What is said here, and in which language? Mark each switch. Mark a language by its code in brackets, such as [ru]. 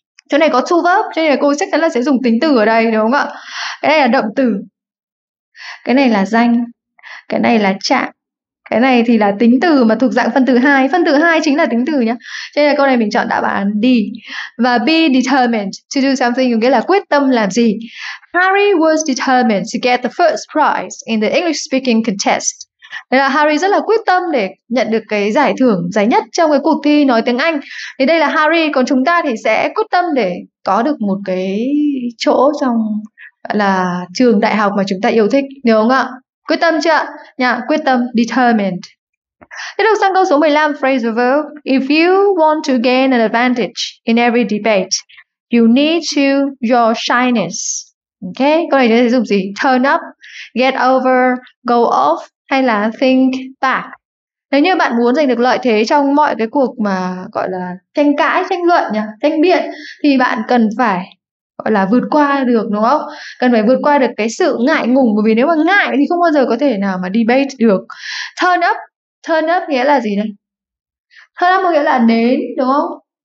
[vi] Chỗ này có to verb, cho nên là cô chắc chắn là sẽ dùng tính từ ở đây, đúng không ạ? Cái này là động từ. Cái này là danh. Cái này là trạng. Cái này thì là tính từ mà thuộc dạng phân từ hai. Phân từ hai chính là tính từ nhá. Cho nên là câu này mình chọn đáp án D. Và [en] be determined to do something, [vi] nghĩa là quyết tâm làm gì. [en] Harry was determined to get the first prize in the English speaking contest. [vi] Đây là Harry rất là quyết tâm để nhận được cái giải thưởng giải nhất trong cái cuộc thi nói tiếng Anh. Thì đây là Harry, còn chúng ta thì sẽ quyết tâm để có được một cái chỗ trong là trường đại học mà chúng ta yêu thích, đúng không ạ? Quyết tâm chưa ạ? Nhá, quyết tâm, [en] determined. [vi] Thế được sang câu số 15, phrasal verb. [en] If you want to gain an advantage in every debate, you need to your shyness. [vi] Ok, câu này sẽ dùng gì? [en] Turn up, get over, go off [vi] hay là [en] think back? [vi] Nếu như bạn muốn giành được lợi thế trong mọi cái cuộc mà gọi là tranh cãi, tranh luận nhỉ, tranh biện, thì bạn cần phải gọi là vượt qua được, đúng không? Cần phải vượt qua được cái sự ngại ngùng, bởi vì nếu mà ngại thì không bao giờ có thể nào mà debate được. [en] Turn up [vi] nghĩa là gì đây? Turn up có nghĩa là đến, đúng không?